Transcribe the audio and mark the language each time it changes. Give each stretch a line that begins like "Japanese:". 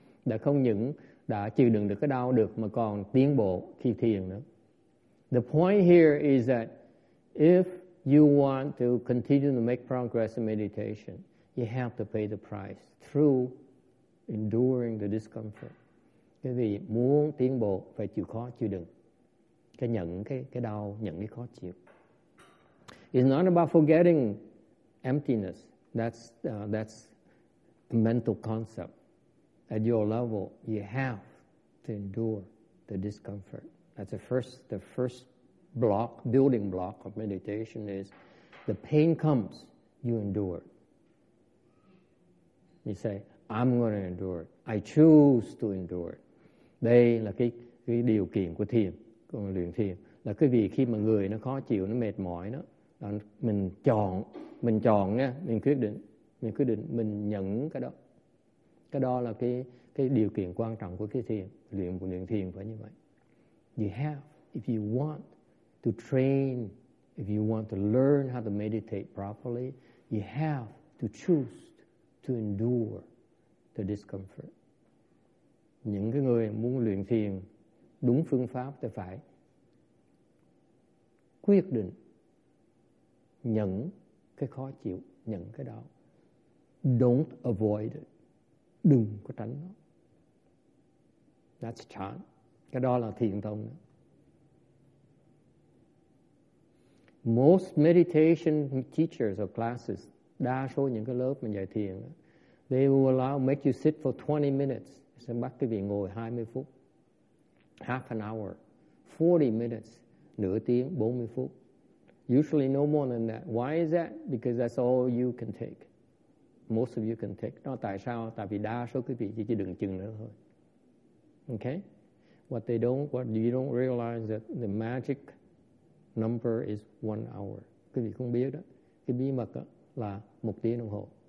Vietnamese: Đã không những đã chịu đựng được cái đau được mà còn tiến bộ khi thiền nữa.
English: The point here is that if you want to continue to make progress in meditation, you have to pay the price through enduring the discomfort.
Vietnamese: Cái vì muốn tiến bộ phải chịu khó chịu đựng, cái nhận cái đau, nhận cái khó chịu.
English: It's not about forgetting emptiness. That's a mental concept. At your level, you have to endure the discomfort. That's the first block, building block of meditation is the pain comes, you endure it. You say, I'm going to endure it. I choose to endure it.
Vietnamese: Đây là cái điều kiện của thiền, của luyện thiền. Là cái vì khi mà người nó khó chịu, nó mệt mỏi đó, mình chọn mình chọn nha, mình quyết định, mình quyết định mình nhận cái đó. Cái đó là cái điều kiện quan trọng của cái thiền, luyện thiền phải như vậy.
English: You have, if you want to train, if you want to learn how to meditate properly, you have to choose to endure the discomfort.
Vietnamese: Những cái người muốn luyện thiền đúng phương pháp thì phải quyết định nhận cái khó chịu, nhận cái đau.
English: Don't avoid it.
Vietnamese: Đừng có tránh nó.
English: That's chan.
Vietnamese: Cái đó là thiền tông.
English: Most meditation teachers or classes,
Vietnamese: đa số những cái lớp mà dạy thiền,
English: they will allow make you sit for 20 minutes.
Vietnamese: Sẽ bắt quý vị ngồi 20 phút.
English: Half an hour. 40 minutes.
Vietnamese: Nửa tiếng, 40 phút.
English: Usually no more than that. Why is that? Because that's all you can take. Most of you can take.
Vietnamese: Đó tại sao? Tại vì đa số quý vị chỉ đừng chừng nữa thôi.
English: Okay? What you don't realize that the magic number is 1 hour.
Vietnamese: Quý vị không biết đó. Cái bí mật đó là một tiếng đồng hồ.